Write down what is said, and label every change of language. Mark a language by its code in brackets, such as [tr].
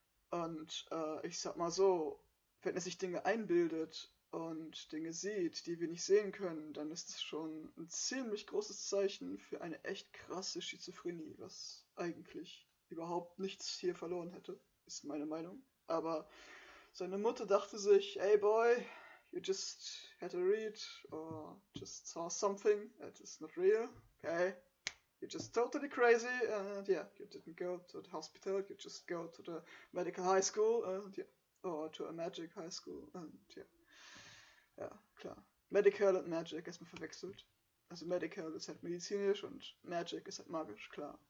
[de] Und ich sag mal so, wenn er sich Dinge einbildet und Dinge sieht, die wir nicht sehen können, dann ist das schon ein ziemlich großes Zeichen für eine echt krasse Schizophrenie, was eigentlich überhaupt nichts hier verloren hätte, ist meine Meinung. Aber Seine Mutter dachte sich, [en] hey boy, you just had a read or just saw something that is not real. Okay, you're just totally crazy and yeah, you didn't go to the hospital, you just go to the medical high school and yeah, or to a magic high school and yeah. [de] Ja, klar. Medical und Magic erstmal verwechselt. Also Medical ist halt medizinisch und Magic ist halt magisch, klar.